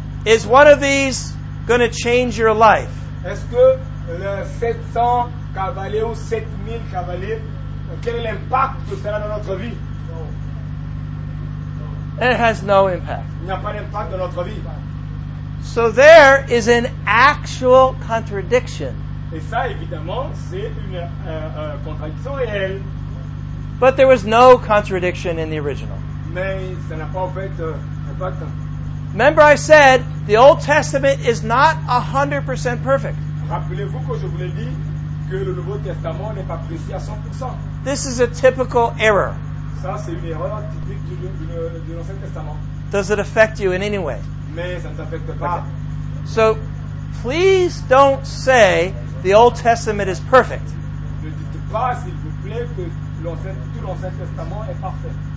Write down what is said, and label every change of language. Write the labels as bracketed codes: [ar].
[en] Is one of these going to change your life? [fr] Est-ce que le 700 cavaliers ou 7000 cavaliers, quel est l'impact que cela a dans notre vie? [en] And it has no impact. [fr] Il n'y a pas d'impact dans notre vie. [en] So there is an actual contradiction. [fr] Et ça, évidemment, c'est une contradiction réelle. [en] But there was no contradiction in the original. [fr] Mais ça n'a pas en fait impact. [en] Remember I said the Old Testament is not 100% perfect. [fr] Rappelez-vous que je vous l'ai dit que le Nouveau Testament n'est pas précis à 100%. [en] This is a typical error. [fr] Ça, c'est une erreur typique de l'Ancien Testament. [en] Does it affect you in any way? [fr] Mais ça ne t'affecte pas. Okay. [en] So, please don't say the Old Testament is perfect. [fr] Ne dites pas, s'il vous plaît, que tout l'Ancien Testament est parfait.